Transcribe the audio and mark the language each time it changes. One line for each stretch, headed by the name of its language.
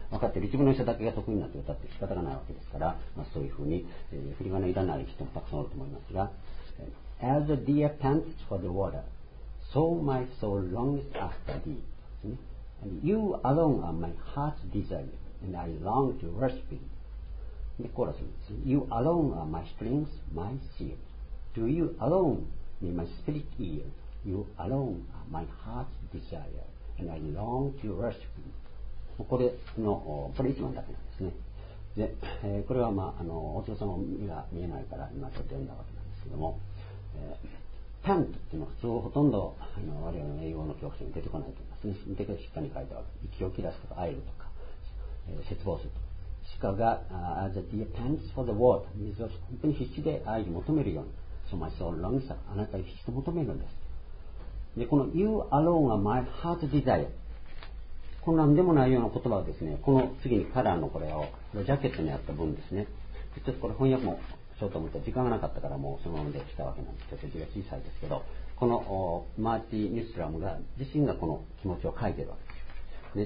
Japanese: 分かってる一部の人だけが得意になって歌って仕方がないわけですから、まあ、そういうふうに、振り仮名いらない人もたくさんおると思いますが、
English: As a deer pants for the waterSo my soul longs after thee, and you alone are my heart's desire, and I long to worship thee.
Japanese: で、コーラスです。
English: You alone are my strength, my seal. To you alone be my spirit ear. You alone are my heart's desire, and I long to worship thee.
Japanese: これの、これ一番だけなんですね。で、これはまあ、お父様が見えないから今ちょっと読んだわけなんですけども、パンっていうのは普通ほとんど我々の英語の教科書に出てこないと思います。出てくるしっかり書いてある。息を切らすとか、会えるとか、絶望するとか。鹿が、
English: as a deer pants for the water。
Japanese: 水を本当に必死で愛を求めるように。
English: So my soul longs for
Japanese: あなたを必死と求めるんです。
English: で、この you alone are my heart's desire。
Japanese: この何でもないような言葉はですね、この次にカラーのこれを、ジャケットにあった文ですね。ちょっとこれ翻訳も。ちょっと思った時間がなかったからもうそのままで来たわけなんです。ちょっと字が小さいですけど、このマーティ・ニュースラムが自身がこの気持ちを書いてるわけです。